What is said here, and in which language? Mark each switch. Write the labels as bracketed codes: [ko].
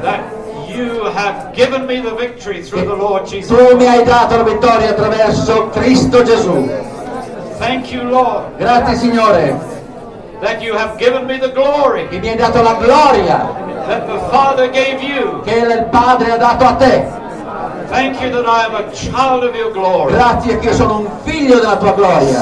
[en] That you have given me the victory through the Lord Jesus. [it] Tu mi hai dato la vittoria attraverso Cristo Gesù. [en] Thank you, Lord. [it] Grazie Signore. [en] That you have given me the glory. [it] Che mi hai dato la gloria. [en] That the Father gave you. [it] Che il Padre ha dato a te. [en] Thank you that I am a child of your glory. [it] Grazie che io sono un figlio della tua gloria.